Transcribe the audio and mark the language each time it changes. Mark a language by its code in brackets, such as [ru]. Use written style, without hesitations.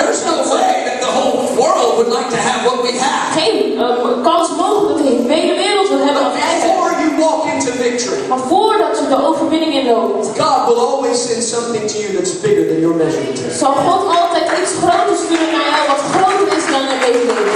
[en] There's no way that the whole world would like to have what we have. [nl] Geen kans mogelijk in de hele wereld wil hebben wat wij hebben. [en] Before you walk into victory. [nl] Maar voordat je de overwinning inloopt. [en] God will always send something to you that's bigger than your measurement. [nl] Zal God altijd iets groter sturen naar jou wat groter is dan je weet.